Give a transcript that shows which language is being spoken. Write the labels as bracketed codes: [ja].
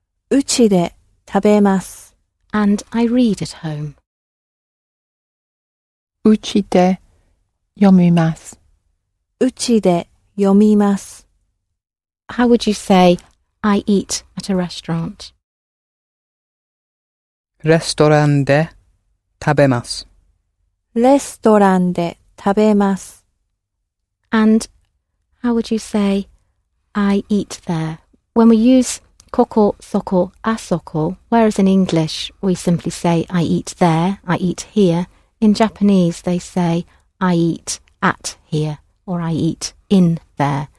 [ja] うちで食べます。 [en] And I read at home. [ja] うちで読みます。うちで読みます。 [en] How would you say, I eat at a restaurant? [ja] レストランで食べます。レストランで食べます。 [en] And how would you say, I eat there? When we use ここ、そこ、あそこ, whereas in English we simply say, I eat there, I eat here, in Japanese they say, I eat at here, or I eat in there.